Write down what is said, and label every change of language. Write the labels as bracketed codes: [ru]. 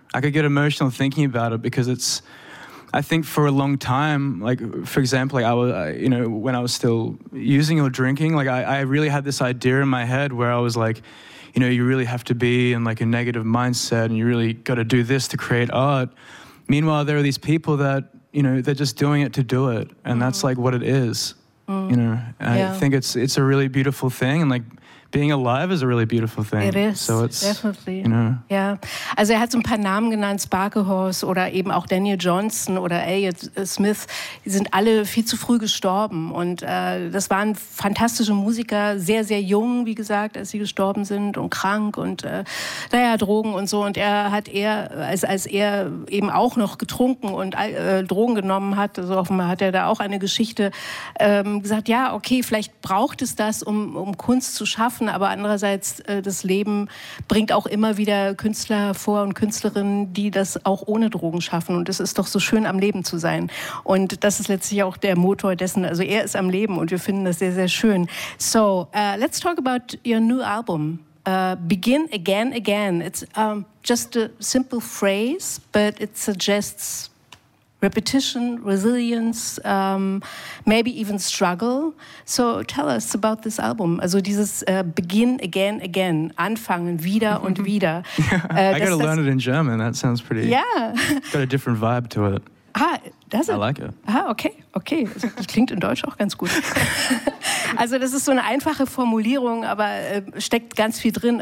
[en] I could get emotional thinking about it because it's, I think for a long time, like, for example, like I was, you know, when I was still using or drinking, like I really had this idea in my head where I was like, you know, you really have to be in like a negative mindset and you really got to do this to create art. Meanwhile, there are these people that, you know, they're just doing it to do it. And that's like what it is, you know. I think it's a really beautiful thing. And like being alive is a really beautiful thing. It is, so it's, definitely. You know. [de] Ja, also er hat so ein paar Namen genannt, Sparklehorse oder eben auch Daniel Johnson oder Elliot Smith. Die sind alle viel zu früh gestorben. Und das waren fantastische Musiker, sehr, sehr jung, wie gesagt, als sie gestorben sind und krank und naja, Drogen und so. Und er hat eher, als er eben auch noch getrunken und Drogen genommen hat, so offenbar hat er da auch eine Geschichte, gesagt, ja, okay, vielleicht braucht es das, um Kunst zu schaffen. Aber andererseits, das Leben bringt auch immer wieder Künstler vor und Künstlerinnen, die das auch ohne Drogen schaffen. Und es ist doch so schön, am Leben zu sein. Und das ist letztlich auch der Motor dessen. Also er ist am Leben und wir finden das sehr, sehr schön. [en] So, let's talk about your new album. Begin Again Again. It's just a simple phrase, but it suggests repetition, resilience, maybe even struggle. So tell us about this album. [de] Also dieses Begin Again Again, anfangen wieder und wieder. [en] I gotta learn it in German. That sounds pretty. Yeah. Got a different vibe to it. Ah, does it? I like it. [de] Ah, okay, okay. Das klingt in Deutsch auch ganz gut. Also das ist so eine einfache Formulierung, aber steckt ganz viel drin.